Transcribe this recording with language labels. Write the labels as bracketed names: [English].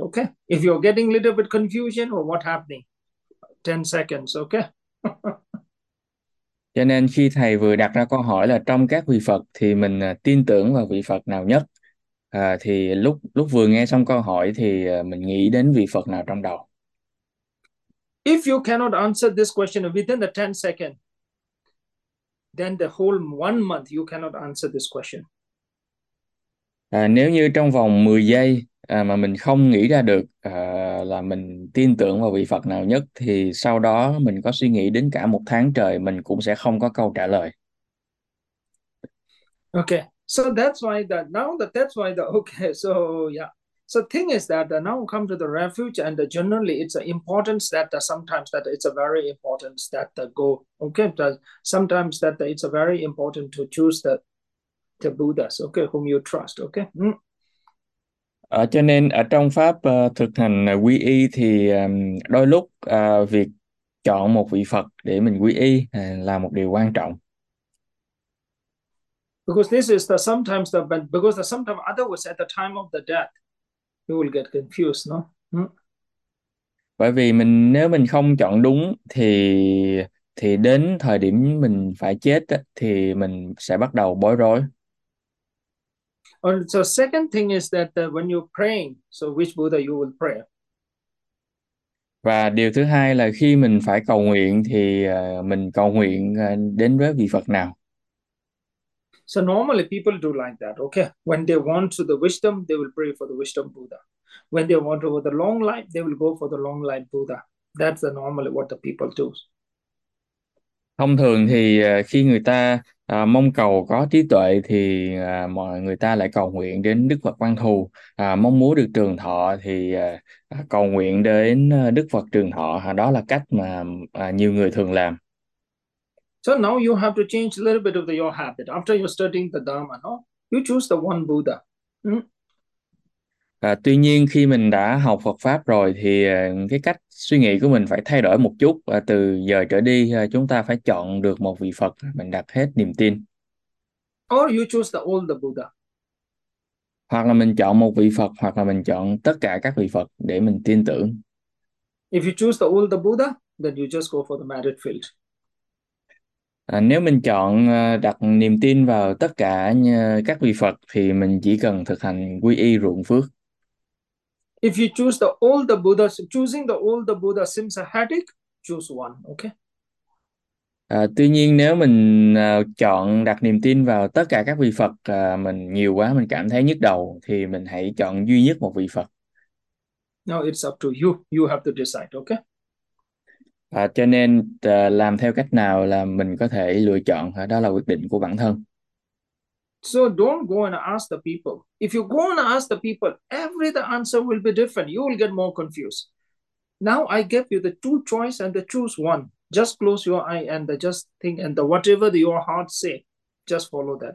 [English] Okay, if you're getting a little bit confusion or what happening? 10 seconds, okay? [Vietnamese] Cho nên khi thầy vừa đặt ra câu hỏi là trong các vị Phật thì mình tin tưởng vào vị Phật nào nhất? Thì lúc lúc vừa nghe xong câu hỏi thì mình nghĩ đến vị Phật nào trong đầu? [English] You cannot answer this question within the 10 seconds, then the whole 1 month you cannot answer this question. [Vietnamese] Nếu như trong vòng 10 giây mà mình không nghĩ ra được là mình tin tưởng vào vị Phật nào nhất thì sau đó mình có suy nghĩ đến cả một tháng trời mình cũng sẽ không có câu trả lời. [English] Okay, so that's why that now that that's why the okay, so yeah. So thing is that now come to the refuge, and generally it's an importance that sometimes that it's a very importance that the go okay that sometimes that it's a very important to choose the Buddhas, okay, whom you trust, okay. [Vietnamese] Cho nên ở trong pháp thực hành quy y thì đôi lúc việc chọn một vị Phật để mình quy y là một điều quan trọng. [English] Because this is the sometimes the but because the sometimes otherwise at the time of the death you will get confused, no? [Vietnamese] Bởi vì mình nếu mình không chọn đúng thì đến thời điểm mình phải chết thì mình sẽ bắt đầu bối rối. [English] And so second thing is that when you're praying, so which Buddha you will pray? [Vietnamese] Và điều thứ hai là khi mình phải cầu nguyện thì mình cầu nguyện đến với vị Phật nào? [English] So normally people do like that, okay? When they want to the wisdom, they will pray for the wisdom Buddha. When they want to the long life, they will go for the long life Buddha. That's the normally what the people do. [Vietnamese] Thông thường thì khi người ta mong cầu có trí tuệ thì mọi người ta lại cầu nguyện đến Đức Phật Quan Thù, mong muốn được trường thọ thì cầu nguyện đến Đức Phật Trường Thọ, đó là cách mà nhiều người thường làm. [English] So now you have to change a little bit of your habit. After you're studying the Dharma, no? You choose the one Buddha. [Vietnamese] Tuy nhiên khi mình đã học Phật pháp rồi thì cái cách suy nghĩ của mình phải thay đổi một chút, và từ giờ trở đi chúng ta phải chọn được một vị Phật mình đặt hết niềm tin. [English] Or you choose the old Buddha. [Vietnamese] Hoặc là mình chọn một vị Phật, hoặc là mình chọn tất cả các vị Phật để mình tin tưởng. [English] If you choose the old Buddha, then you just go for the merit field. [Vietnamese] Nếu mình chọn đặt niềm tin vào tất cả các vị Phật thì mình chỉ cần thực hành quy y ruộng phước. [English] If you choose the old Buddha, choosing the old Buddha seems a headache, choose one, okay? [Vietnamese] Tuy nhiên nếu mình chọn đặt niềm tin vào tất cả các vị Phật mình nhiều quá mình cảm thấy nhức đầu thì mình hãy chọn duy nhất một vị Phật. [English] Now it's up to you. You have to decide, okay? [Vietnamese] Cho nên làm theo cách nào là mình có thể lựa chọn, đó là quyết định của bản thân. [English] So don't go and ask the people. If you go and ask the people, every the answer will be different. You will get more confused. Now I give you the two choice and the choose one. Just close your eye and the just think and the whatever the, your heart say, just follow that.